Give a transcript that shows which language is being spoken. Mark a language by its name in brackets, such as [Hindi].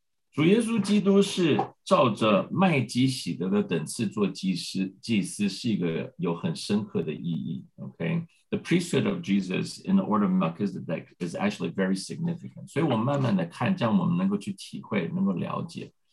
[Chinese] 主耶稣基督是照着麦基洗德的等次做祭司，是一个有很深刻的意义。 [English] Okay? The priesthood of Jesus in the order of Melchizedek is actually very significant. [Chinese] 所以我慢慢的看，这样我们能够去体会，能够了解。